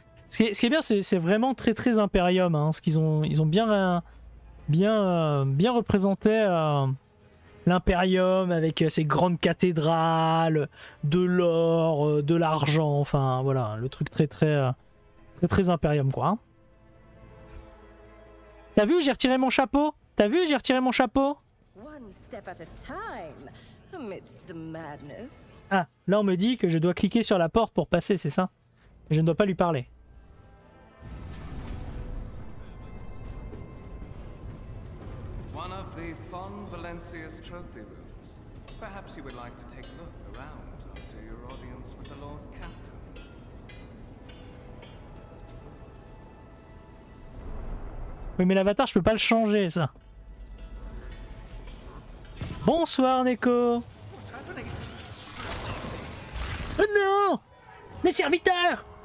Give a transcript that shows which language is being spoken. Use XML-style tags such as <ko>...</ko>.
<fr>Ce qui est bien, c'est vraiment très très Imperium, hein. Ce qu'ils ont, ils ont bien, bien, bien représenté... L'Imperium avec ses grandes cathédrales, de l'or, de l'argent, enfin voilà, le truc très très très très Imperium quoi. T'as vu, j'ai retiré mon chapeau. T'as vu, j'ai retiré mon chapeau.</fr> <en>One step at a time, amidst the madness.</en> <fr>Ah, là on me dit que je dois cliquer sur la porte pour passer, c'est ça? Je ne dois pas lui parler.</fr> <en>One of the Fon Valencia's trophy rooms. Perhaps you would like to take a look around after your audience with the Lord Captain.</en> <fr>Oui, mais l'avatar, je peux pas le changer, ça. Bonsoir, Neko. Oh non! Mes serviteurs!</fr>